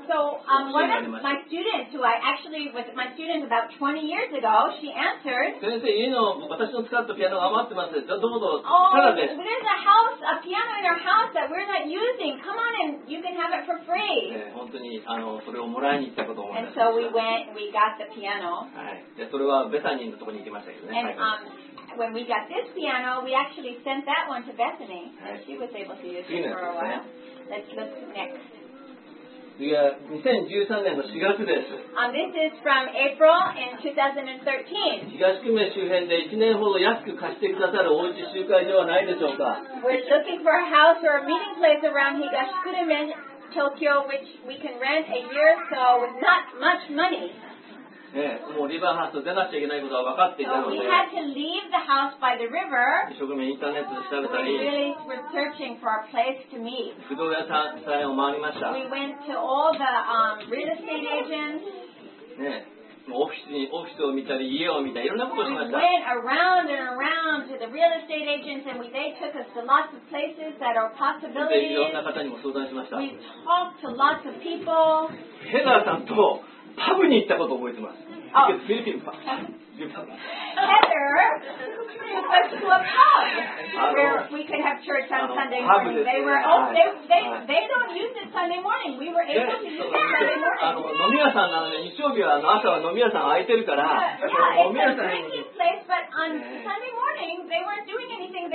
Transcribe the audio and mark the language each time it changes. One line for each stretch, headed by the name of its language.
English: so one of my students who I actually was my student about 20 years ago, she answered.
Japanese: 先生、家の私の使ったピアノが余ってます。どうぞ。
English: Oh, there's a house, a piano in our house that we're not using. Come on and you can have it for free.
Japanese: 本当にそれをもらいに行ったことを思い出しました。
English: And so we went, we got the piano.
Japanese: はい。でそれはベタニーのところに行きましたけどね。
English: And, when we got this piano, we actually sent that one to Bethany, and she was able to use it for a while. Let's look next.
Japanese: いや、2013年の4月です。
English: This is from April in 2013.
Japanese: 東久米周辺で1年ほど安く貸してくださるおうち集会所はないでしょうか。
English: We're looking for a house or a meeting place around Higashikurume, Tokyo, which we can rent a year or so with not much money.
Japanese: ね、もうリバーハウス出なくちゃいけないことは分かっていたので、
English: so、we had to leave the house by the river.
Japanese: 一生懸命インターネットで調べたり、
English: we really were searching for a place to meet.
Japanese: 不動産屋さんを回りました。
English: We went to all the, real estate agents.
Japanese: ね、もうオフィスを見たり、家を見たり、いろんなことをしました。
English: We went around and around to the real estate agents and they took us to lots of places that are possibilities.
Japanese: いろんな方にも相談しました。
English: We talked to lots of people.
Japanese: ヘナーさんとパブに行ったことを覚えてます。あ、フィリピンパブ。
English: Heather took us to a pub where we could have church on Sunday morning. They were, oh, they don't use it Sunday morning. We were able to use it Sunday morning.
Japanese: 飲み屋さんなので、日曜日は朝は飲み屋さん空いてるから、飲み屋さん。
English: It's a drinking place, but on Sunday morning they weren't doing anything.